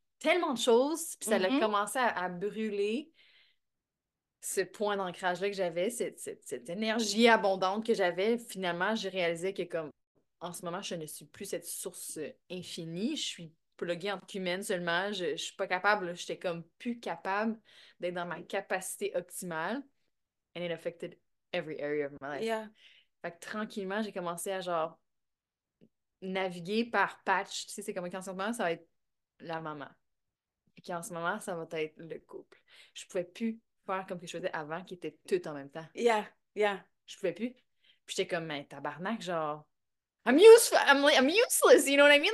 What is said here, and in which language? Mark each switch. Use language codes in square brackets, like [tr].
[fr] tellement de choses, puis ça a commencé à brûler ce point d'ancrage-là que j'avais, cette énergie abondante que j'avais. Finalement, j'ai réalisé que comme en ce moment, je ne suis plus cette source infinie. Je suis pluguée en tant qu'humaine seulement. Je ne suis pas capable. J'étais comme plus capable d'être dans ma capacité optimale. [en] And it affected every area of my life. [fr] Fait que tranquillement, j'ai commencé à genre naviguer par patch. Tu sais, c'est comme qu'en ce moment, ça va être la maman. Et qu'en ce moment, ça va être le couple. Je ne pouvais plus faire comme que je faisais avant, qui était tout en même temps. Je pouvais plus. Puis j'étais comme, mais tabarnak, genre, [en] I'm useless, you know what I mean?